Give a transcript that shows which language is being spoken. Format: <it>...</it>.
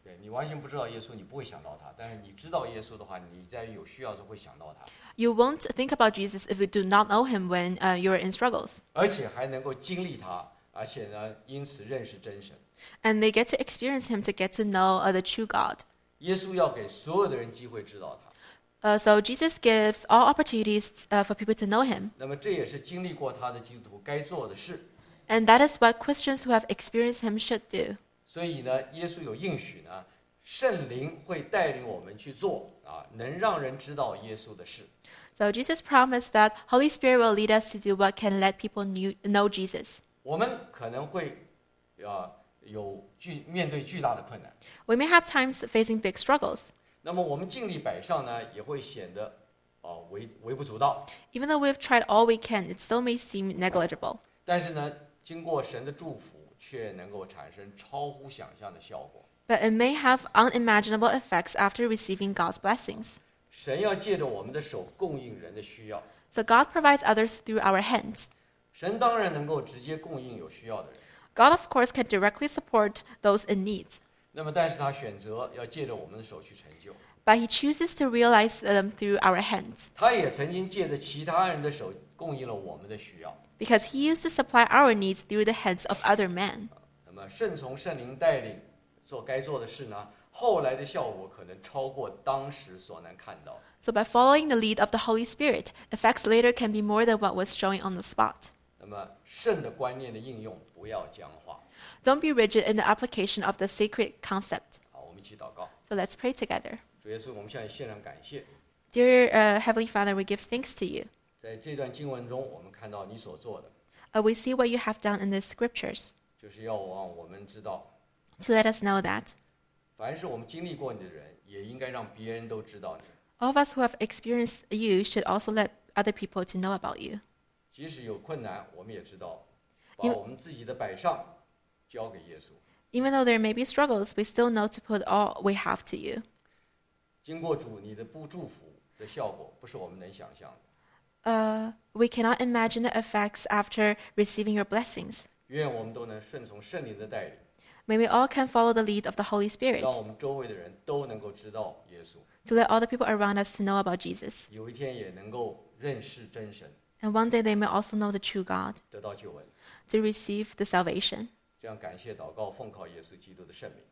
<zh>对，你完全不知道耶稣，你不会想到他。但是你知道耶稣的话，你在有需要时会想到他。</zh> <en>You won't think about Jesus if you do not know him when you're in struggles.</en> <zh>而且还能够经历他，而且呢，因此认识真神。</zh> <en>And they get to experience him to get to know the true God.</en> <zh>耶稣要给所有的人机会知道他。</zh> <en>So Jesus gives all opportunities for people to know him.</en> <zh>那么这也是经历过他的基督徒该做的事。</zh> <en>And that is what Christians who have experienced him should do.</en> <zh>所以呢，耶稣有应许呢，圣灵会带领我们去做。能让人知道耶稣的事。</zh> <en>So Jesus promised that Holy Spirit will lead us to do what can let people know Jesus.</en> <zh>我们可能会有面对巨大的困难。</zh> <en>We may have times facing big struggles.</en> <zh>那么我们尽力摆上呢，也会显得微不足道。</zh> <en>Even though we've tried all we can, it still may seem negligible.</en> <zh>但是呢，经过神的祝福，却能够产生超乎想象的效果。</zh> <en>But it may have unimaginable effects after receiving God's blessings.</en> <zh>神要借着我们的手供应人的需要。</zh> <en>So God provides others through our hands.</en> <zh>神当然能够直接供应有需要的人。</zh> <en>God, of course, can directly support those in need.</en> <zh>那么但是他选择要借着我们的手去成就。</zh> <en>But he chooses to realize them through our hands.</en> <zh>他也曾经借着其他人的手供应了我们的需要。</zh> <en>Because he used to supply our needs through the hands of other men.</en> <zh>那么顺从圣灵带领做该做的事呢，后来的效果可能超过当时所能看到。</zh> <en>So by following the lead of the Holy Spirit, effects later can be more than what was showing on the spot.</en> <zh>那么圣的观念的应用不要僵化。</zh> <en>Don't be rigid in the application of the sacred concept.</en> <zh>好，我们一起祷告。</zh> <en>So let's pray together.</en> <zh>主耶稣，我们向你献上感谢。</zh> <en>Dear Heavenly Father, we give thanks to you.</en> <zh>在这段经文中，我们看到你所做的。</zh> <en>We see what you have done in the scriptures.</en> <zh>就是要让我们知道。</zh> <en>To let us know that.</en> <zh>凡是我们经历过你的人，也应该让别人都知道你。</zh> <en>All of us who have experienced you should also let other people to know about you.</en> <zh>即使有困难，我们也知道，把我们自己的摆上交给耶稣。</zh> <en>Even though there may be struggles, we still know to put all we have to you.</en> <zh>经过主你的不祝福的效果，不是我们能想象的。</zh> <en>We cannot imagine the effects after receiving your blessings.</en> <zh>愿我们都能顺从圣灵的带领。</zh> <en>May we all can follow the lead of the Holy Spirit.</en> <zh>让我们周围的人都能够知道耶稣。</zh> <en>To let all the people around us to know about Jesus.</en> <zh>有一天也能够认识真神。</zh> <en>And one day they may also know the true God.</en> <zh>得到救恩。</zh> <en>To receive the salvation.</en> <zh>这样感谢祷告，奉靠耶稣基督的圣名。</zh>